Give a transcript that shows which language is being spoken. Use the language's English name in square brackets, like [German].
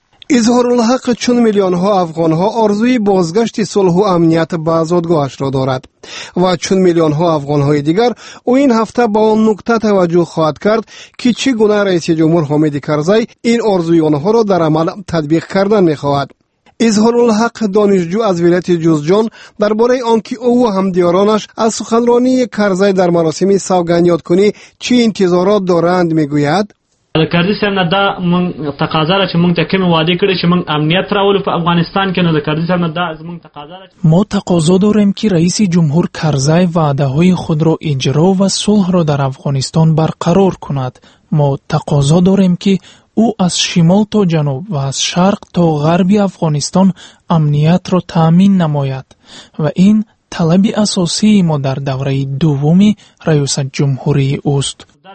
[Persian] اظهار الحق چون میلیون ها افغان ها آرزوی بازگشت صلح و امنیت به آزادگاهش را دارد و چون میلیون ها افغان های دیگر او این هفته با آن نکته توجه خواهد کرد که چی گونه رئیس جمهور حامد کرزی این آرزوی آنها را در عمل تطبیق کردن می خواهد. اظهار الحق دانشجو از ولایت جوزجان درباره آنکه او و همدیارانش از سخنرانی کرزی در مراسم سوگند یاد کنی چی انتظارات دارند می گوید. [Pashto] کرزی صاحب نه دا مونږ تقاضا ده چې مونږ ته کومې وعدې کړې چې مونږ امنیت راولو په افغانستان کې. نو د کرزی صاحب نه دا زمونږ تقاضا ده. [Persian] ما تقاضا داریم که رئیس جمهور کرزی وعده های خود را اجرا و صلح را در افغانستان برقرار کند. ما تقاضا داریم که او از شمال تا جنوب و از شرق تا غرب افغانستان امنیت را تامین نماید و این طلب اساسی ما در دوره دوم رئیس جمهوری است.